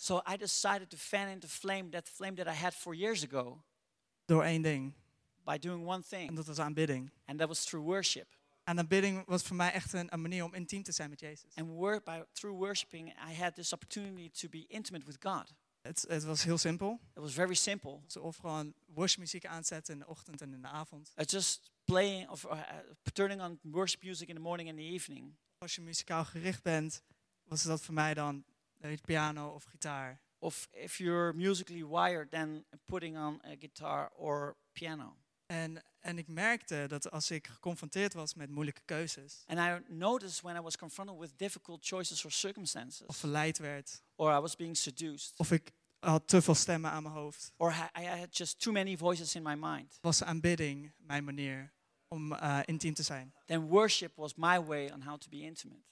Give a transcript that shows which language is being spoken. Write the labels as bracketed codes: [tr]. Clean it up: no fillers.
[en] So I decided to fan into flame that flame that I had 4 years ago. [nl] Door één ding. [en] By doing one thing. [nl] En dat was aanbidding. [en] And that was through worship. [nl] En aanbidding was voor mij echt een manier om intiem te zijn met Jezus. [en] And through worshiping I had this opportunity to be intimate with God. [nl] Het was heel simpel. [en] It was very simple. [nl] Of gewoon worship muziek aanzetten in de ochtend en in de avond. [en] It just playing of turning on worship music in the morning and the evening. [nl] Als je muzikaal gericht bent, was dat voor mij dan piano of gitaar? [en] Of if you're musically wired, then putting on a guitar or piano. [nl] En ik merkte dat als ik geconfronteerd was met moeilijke keuzes. [en] And I noticed when I was confronted with difficult choices or circumstances. [nl] Of verleid werd. [en] Or I was being seduced. [nl] Of ik had te veel stemmen aan mijn hoofd. [en] Or I had just too many voices in my mind. [nl] Was aanbidding mijn manier om intiem te zijn. [en] Then worship was my way on how to be intimate.